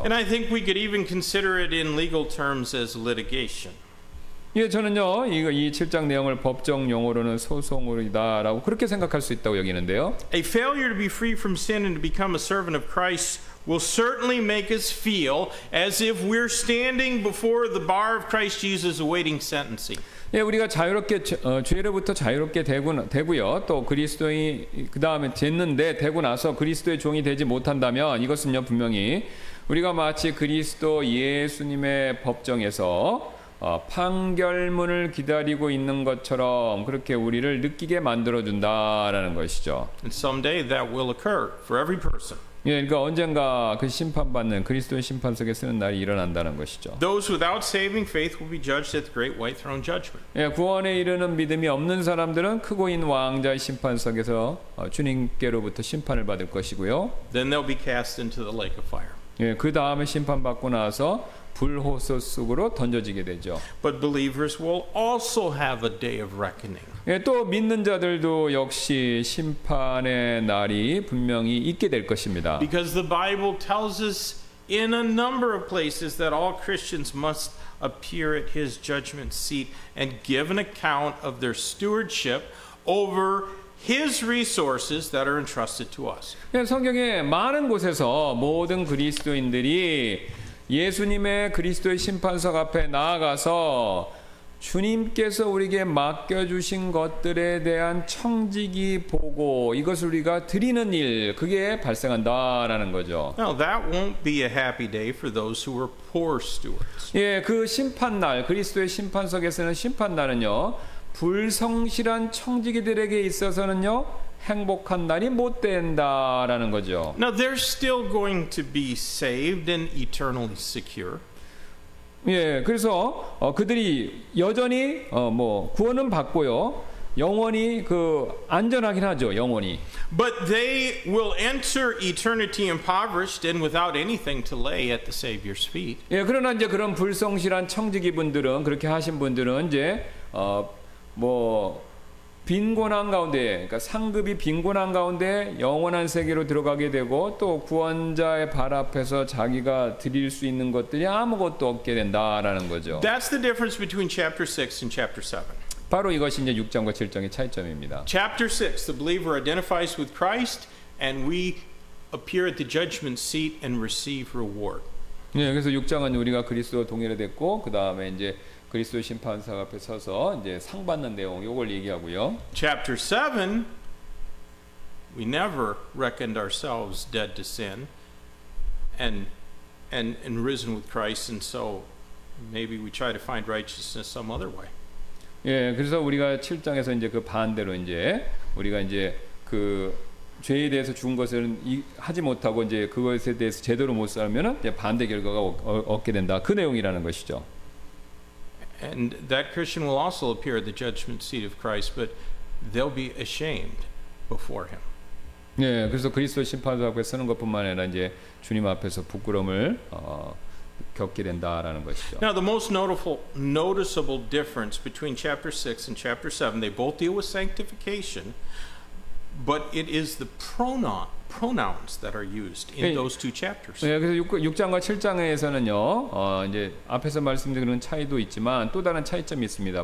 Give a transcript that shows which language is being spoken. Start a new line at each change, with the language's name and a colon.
English: And I think we could even consider it in legal terms as litigation.
Korean: 예, 저는요. 이거 이 7장 내용을 법정 용어로는 소송이다라고 그렇게 생각할 수 있다고 여기는데요.
English: A failure to be free from sin and to become a servant of Christ will certainly make us feel as if we're standing before the bar of Christ Jesus awaiting sentencing.
Korean: 예, 우리가 자유롭게 죄로부터 자유롭게 되고요. 또 그리스도인 그다음에 됐는데 되고 나서 그리스도의 종이 되지 못한다면 이것은요, 분명히 우리가 마치 그리스도 예수님의 법정에서 판결문을 기다리고 있는 것처럼 그렇게 우리를 느끼게 만들어 준다라는 것이죠.
English: And someday that will occur for every person.
Korean: 예, 그러니까 언젠가 그 심판받는 그리스도의 심판 속에 쓰는 날이 일어난다는 것이죠.
English: Those without saving faith will be judged at the great white throne judgment.
Korean: 예, 구원에 이르는 믿음이 없는 사람들은 크고 인 왕자의 심판 속에서 주님께로부터 심판을 받을 것이고요.
English: Then they'll be cast into the lake of fire.
Korean: 예, 그 다음에 심판받고 나서 불호소 속으로 던져지게 되죠.
English: But believers will also have a day of reckoning.
Korean: 예, 또 믿는 자들도 역시 심판의 날이 분명히 있게 될 것입니다.
English: Because the Bible tells us in a number of places that all Christians must appear at his judgment seat and give an account of their stewardship over His resources that are entrusted to us.
Korean: 예, 성경에 많은 곳에서 모든 그리스도인들이 예수님의 그리스도의 심판석 앞에 나아가서 주님께서 우리에게 맡겨주신 것들에 대한 청지기 보고 이것을 우리가 드리는 일 그게 발생한다라는 거죠.
English: Now that won't be a happy day for those who were poor stewards.
Korean: 예, 그 심판날 그리스도의 심판석에서는 심판날은요 불성실한 청지기들에게 있어서는요 행복한 날이 못 된다라는 거죠.
English: Now they're still going to be saved and eternally secure.
Korean: 예, 그래서 그들이 여전히 뭐 구원은 받고요. 영원히 그 안전하긴 하죠, 영원히.
English: But they will enter eternity impoverished and without anything to lay at the Savior's feet.
Korean: 예, 그러나 이제 그런 불성실한 청지기분들은 그렇게 하신 분들은 이제 뭐 빈곤한 가운데, 그러니까 상급이 빈곤한 가운데 영원한 세계로 들어가게 되고 또 구원자의 발 앞에서 자기가 드릴 수 있는 것들이 아무것도 없게 된다라는 거죠.
English: That's the difference between chapter 6 and chapter 7.
Korean: 바로 이것이 이제 6장과 7장의 차이점입니다.
English: Chapter 6, the believer identifies with Christ and we appear at the judgment seat and receive reward.
Korean: 네, 그래서 6장은 우리가 그리스도와 동일화됐고 그 다음에 이제 그리스도 심판사 앞에 서서 이제 상 받는 내용 요걸 얘기하고요.
English: Chapter 7 we never reckoned ourselves dead to sin and risen with Christ and so maybe we try to find righteousness some other way.
Korean: 예, 그래서 우리가 7장에서 이제 그 반대로 이제 우리가 이제 그 죄에 대해서 죽은 것을 하지 못하고 이제 그것에 대해서 제대로 못 살면은 이제 반대 결과가 얻게 된다. 그 내용이라는 것이죠.
English: And that Christian will also appear at the judgment seat of Christ, but they'll be ashamed before him.
Korean: 예, 그래서 그리스도 심판자 앞에 서는 것뿐만 아니라 이제 주님 앞에서 부끄러움을 겪게 된다라는 것이죠.
English: Now the most noticeable difference between chapter 6 and chapter 7, they both deal with sanctification. But it is the pronouns that are used in those two chapters.
Korean: 네, 그래서 6장과 7장에서는요, 이제 앞에서 말씀드린 차이도 있지만 또 다른 차이점이 있습니다.